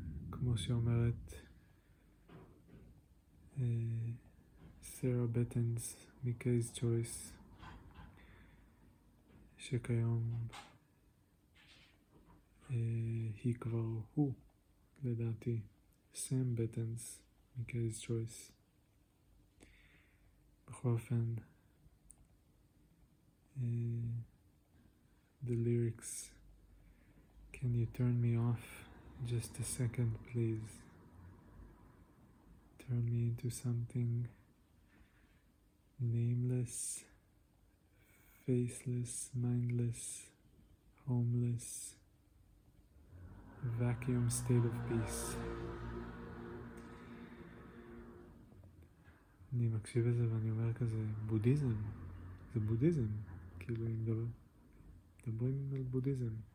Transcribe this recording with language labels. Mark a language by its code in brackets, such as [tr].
[he] כמו שאומרת סרה בטנס מקייס צ'ויס, שכיום היא כבר הוא, לדעתי, סם בטנס מקייס צ'ויס. בכל אופן, [en] the lyrics, can you turn me off? Just a second, please. Turn me into something nameless, faceless, mindless, homeless, vacuum state of peace. [he] אני מקשיב לזה ואני אומר כזה, בודיזם, זה בודיזם, כאילו אם מדברים על בודיזם.